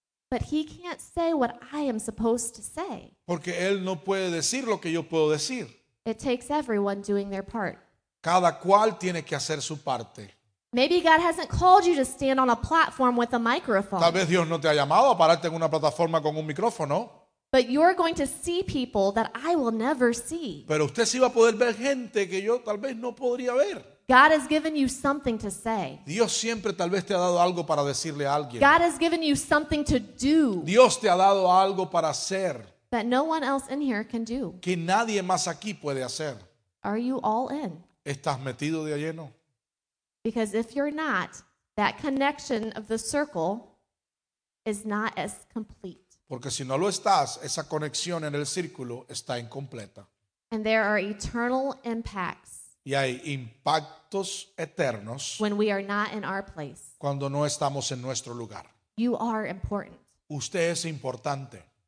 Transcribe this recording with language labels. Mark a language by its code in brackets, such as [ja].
[en] But he can't say what I am supposed to say. [es] Porque él no puede decir lo que yo puedo decir. [en] It takes everyone doing their part. [es] Cada cual tiene que hacer su parte. [en] Maybe God hasn't called you to stand on a platform with a microphone. [es] Tal vez Dios no te ha llamado a pararte en una plataforma con un micrófono. [en] But you're going to see people that I will never see. [es] Pero usted sí va a poder ver gente que yo tal vez no podría ver. [en] God has given you something to say. [es] Dios siempre tal vez te ha dado algo para decirle a alguien. [en] God has given you something to do. [es] Dios te ha dado algo para hacer. [en] That no one else in here can do. [es] Que nadie más aquí puede hacer. [en] Are you all in? [es] ¿Estás metido de lleno? [en] Because if you're not, that connection of the circle is not as complete. [es] Porque si no lo estás, esa conexión en el círculo está incompleta. [en] And there are eternal impacts. [es] Y hay impactos eternos. [en] When we are not in our place. [es] Cuando no estamos en nuestro lugar. [en] You are important. [es] Usted es importante.